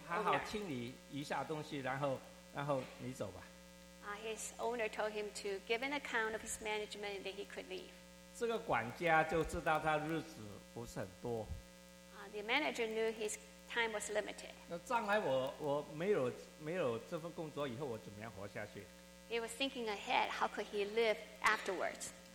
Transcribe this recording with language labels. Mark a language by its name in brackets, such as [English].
[Chinese] 好好清理一下东西, 然后你走吧。 [English] His owner told him to give an account of his management and that he could leave. [Chinese] 这个管家就知道他日子不是很多。 [English] The manager knew his time was limited. [Chinese] 将来我没有这份工作以后我怎么样活下去。 [English] He was thinking ahead, how could he live afterwards?